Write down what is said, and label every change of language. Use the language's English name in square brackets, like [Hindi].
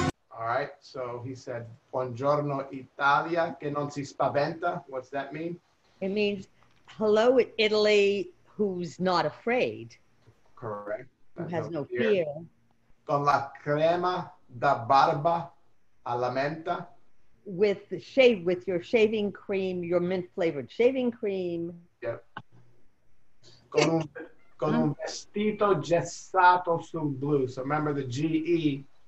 [English] All right, so he said, [Italian] Buongiorno Italia, che non si spaventa. [English] What's that mean? It means, hello Italy, who's not afraid. Correct. Who has no fear. [Italian] Con la crema da barba alla menta. [English] With the shave, with your shaving cream, your mint-flavored shaving cream. Yep. [Italian] Con un vestito gessato sul blu. [English] So remember the G-E,